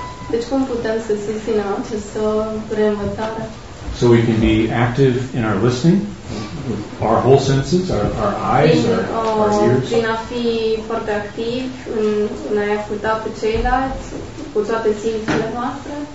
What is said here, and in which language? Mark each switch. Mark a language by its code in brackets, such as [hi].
[ro] Deci cum putem să susținem această reînvățare? [en] So we can be active in our listening, our whole senses, our eyes, our ears. [ro] Prin a fi foarte activ în a-i asculta pe ceilalți, cu toate simțurile noastre.